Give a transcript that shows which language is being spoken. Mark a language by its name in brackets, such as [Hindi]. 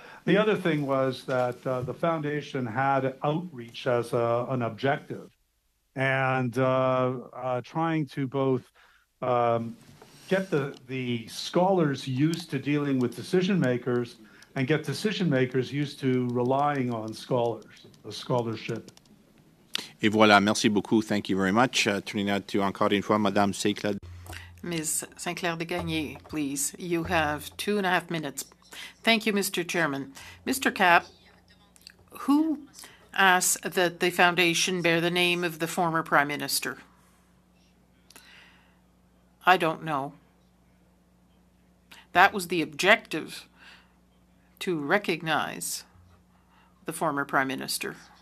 [English] The other thing was that the foundation had outreach as an objective, and trying to both get the scholars used to dealing with decision makers and get decision makers used to relying on scholars, the scholarship. [French] Et voilà, merci beaucoup, [English] thank you very much. Turning now to, [French] encore une fois, [English] Madame Sinclair. Ms. Sinclair-Desgagne, please, you have 2.5 minutes. Thank you, Mr. Chairman. Mr. Kapp, who asks that the foundation bear the name of the former Prime Minister? I don't know. That was the objective, to recognize the former Prime Minister.